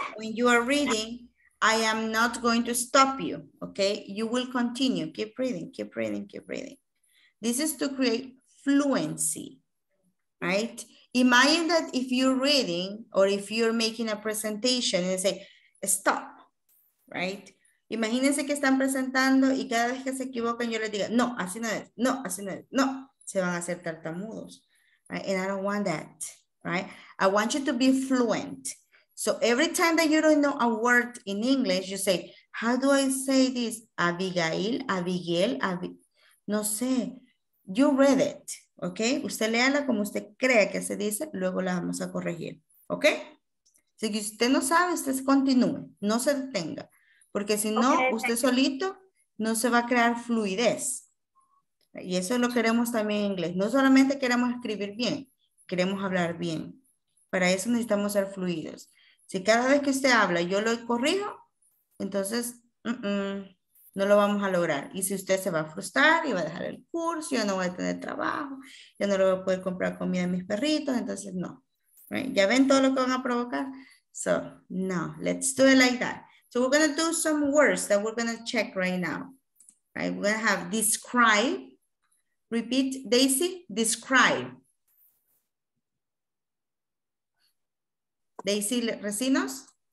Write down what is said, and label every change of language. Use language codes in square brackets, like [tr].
[en] When you are reading, I am not going to stop you, okay? You will continue. Keep reading, keep reading, keep reading. This is to create fluency, right? Imagine that if you're reading or if you're making a presentation and say, stop, right? [es] Imagínense que están presentando y cada vez que se equivocan yo les diga, no, así no es, no, así no es, no. Se van a hacer tartamudos, [en] right? And I don't want that, right? I want you to be fluent. So every time that you don't know a word in English, you say, how do I say this? [es] Abigail, Abigail, no sé. [en] You read it, okay? [es] Usted léala como usted crea que se dice, luego la vamos a corregir, okay? Si usted no sabe, usted continúe, no se detenga. Porque si no, okay, usted solito no se va a crear fluidez. Y eso lo queremos también en inglés. No solamente queremos escribir bien, queremos hablar bien. Para eso necesitamos ser fluidos. Si cada vez que usted habla yo lo corrijo, entonces no lo vamos a lograr. Y si usted se va a frustrar y va a dejar el curso, yo no voy a tener trabajo, yo no lo voy a poder comprar comida a mis perritos, entonces no. Right? ¿Ya ven todo lo que van a provocar? [en] So, no, let's do it like that. So we're going to do some words that we're going to check right now. Right? We're going to have describe. Repeat, Daisy, describe. Daisy Resinos?